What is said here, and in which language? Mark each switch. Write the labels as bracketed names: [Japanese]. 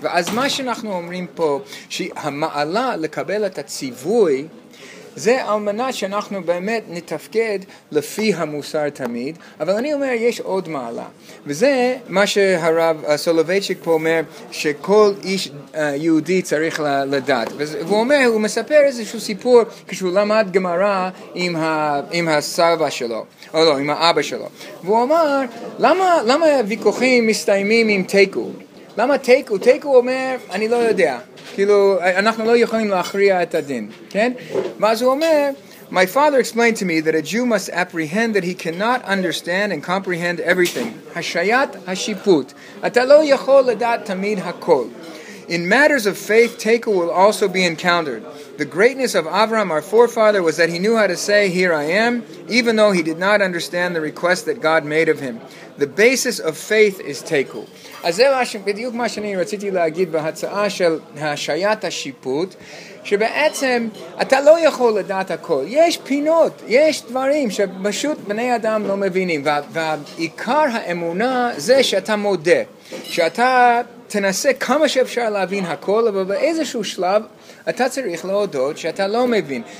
[Hebrew] ואז מה שאנחנו אומרים פה, שהמעלה לקבל את הציווי, זה על מנת שאנחנו באמת נתפקד לפי המוסר תמיד, אבל אני אומר יש עוד מעלה, וזה מה שהרב סולובייצ'יק פה אומר שכל איש יהודי צריך לדעת, והוא אומר, הוא מספר איזשהו סיפור כשהוא למד גמרא עם הסבא שלו, או לא, עם האבא שלו, והוא אמר, למה הוויכוחים מסתיימים עם תיקו? למה תיקו? תיקו אומר, אני לא יודע. כאילו, אנחנו לא יכולים להכריע את הדין, כן? ואז הוא אומר, [English] My father explained to me that a Jew must apprehend that he cannot understand and comprehend everything. [Hebrew] השיית השיפוט. אתה לא יכול לדעת תמיד הכל. [English] In matters of faith, Teiku will also be encountered. The greatness of Avram, our forefather, was that he knew how to say, Here I am, even though he did not understand the request that God made of him. The basis of faith is Teiku. [Hebrew] אז זה בדיוק מה שאני רציתי להגיד בהצעה של השיית השיפוט, שבעצם אתה לא יכול לדעת הכל. יש פינות, יש דברים שפשוט בני אדם לא מבינים. והעיקר האמונה זה שאתה מודה, שאתה תנסה כמה שאפשר להבין הכל, אבל באיזשהו שלב אתה צריך להודות שאתה לא מבין.